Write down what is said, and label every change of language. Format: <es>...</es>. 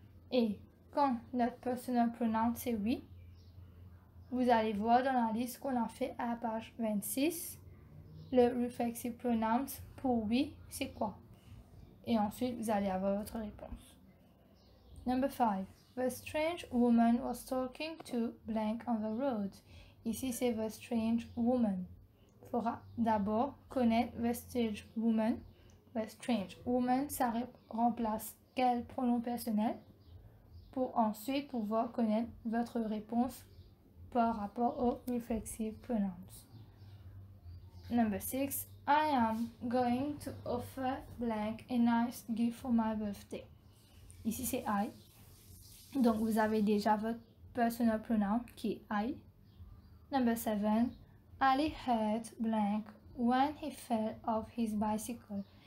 <fr>Et quand notre personal pronoun c'est oui, vous allez voir dans la liste qu'on a fait à la page 26, le reflexive pronoun pour oui, c'est quoi? Et ensuite, vous allez avoir votre réponse.</fr> <en>Number 5. The strange woman was talking to blank on the road.</en> <fr>Ici, c'est</fr> <en>the strange woman.</en> <fr>Il faudra d'abord connaître the strange woman. The strange woman, ça remplace quel pronom personnel? Pour ensuite pouvoir connaître votre réponse par rapport au reflexive pronoun.</fr> <en>Number 6. I am going to offer blank a nice gift for my birthday.</en> <fr>Ici c'est I. Donc vous avez déjà votre personal pronoun qui est I.</fr> <en>Number 7. Ali hurt blank when he fell off his bicycle.</en>